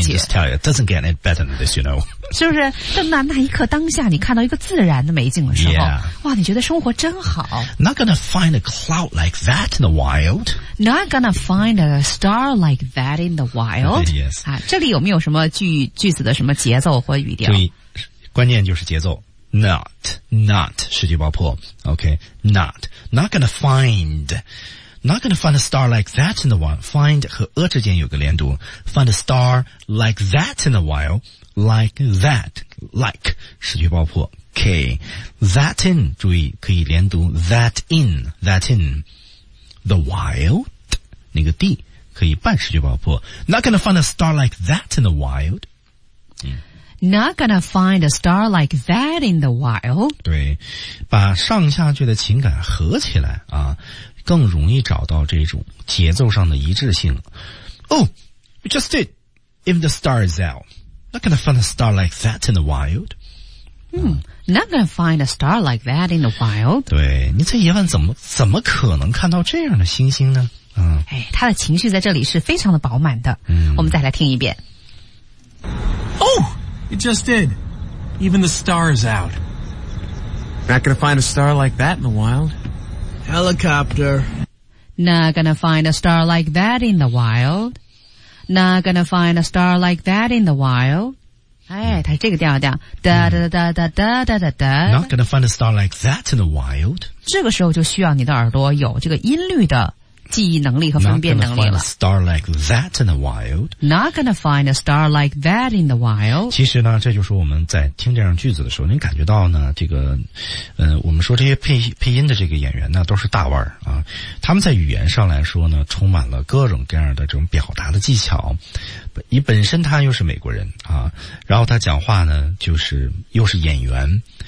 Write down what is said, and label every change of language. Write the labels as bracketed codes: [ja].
[en] I mean, just tell you, it doesn't get any better than this, you know？ [zh] 是不是？就那一刻当下，你看到一个自然的美景的时候， [en] yeah. [zh] 哇，你觉得生活真好。 [en] Not gonna find a cloud like that in the wild. Not gonna find a star like that in the wild. Yes， [zh] 啊，这里有没有什么句子的什么节奏或语调？注意，关键就是节奏。 [en] Not [zh] 失去爆破 [en] ，OK， not gonna find a star like that in the wild. Find 和a之间有个连读 ，find a star like that in the wild, like that, like [zh] 失去爆破 [en] ，K that in [zh] 注意可以连读 [en] that in the wild [zh] 那个 [en] D [zh] 可以半失去爆破 [en] ，not gonna find a star like that in the wild.、 Not gonna find a star like that in the wild. [zh] 对，把上下句的情感合起来啊，更容易找到这种节奏上的一致性。 [en] Oh, you just did. If the star is out, not gonna find a star like that in the wild. Not gonna find a star like that in the wild. [zh] 对，你在夜晚怎么可能看到这样的星星呢？嗯，哎，他的情绪在这里是非常的饱满的。嗯，我们再来听一遍。 [en] Oh. It just did. Even the star is out. Not gonna find a star like that in the wild. Helicopter. Not gonna find a star like that in the wild. Not gonna find a star like that in the wild. [zh] 哎，它是这个调调。哒哒哒哒哒哒哒哒。 [en] Not gonna find a star like that in the wild. [zh] 这个时候就需要你的耳朵有这个音律的记忆能力和分辨能力了。 [en] Not gonna find a star like that in the wild. Not gonna find a star like that in the wild. [zh] 其实呢，这就是我们在听这样句子的时候，您感觉到呢，这个，我们说这些配音的这个演员呢，都是大腕儿啊。他们在语言上来说呢，充满了各种各样的这种表达的技巧。本身他又是美国人啊，然后他讲话呢，就是又是演员。